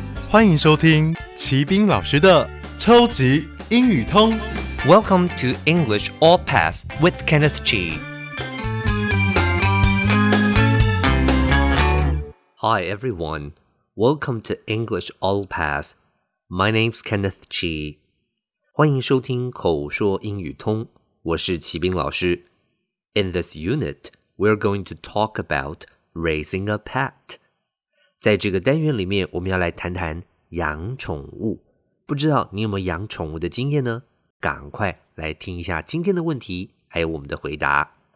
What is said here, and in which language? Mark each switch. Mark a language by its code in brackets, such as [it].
[zh] 欢迎收听齐斌老师的超级英语通。 [en] Welcome to English All Pass with Kenneth G. Hi, everyone. Welcome to English All Pass. My name's Kenneth G. [zh] 欢迎收听口说英语通。我是齐斌老师。 [en] In this unit, we're going to talk about raising a pet. [zh] 在这个单元里面，我们要来谈谈养宠物。不知道你有没有养宠物的经验呢？赶快来听一下今天的问题，还有我们的回答。